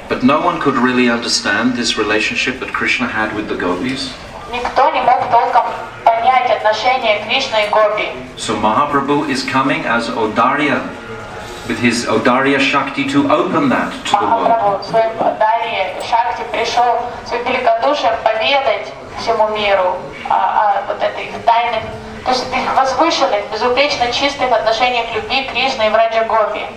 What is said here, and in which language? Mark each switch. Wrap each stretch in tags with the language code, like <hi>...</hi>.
<en>But no one could really understand this relationship that Krishna had with the gopis.</en> <ru>Никто не мог толком понять отношения Кришны и гопи.</ru> <en>So Mahaprabhu is coming as Audarya. With his Audarya Shakti to open that to the world.</en>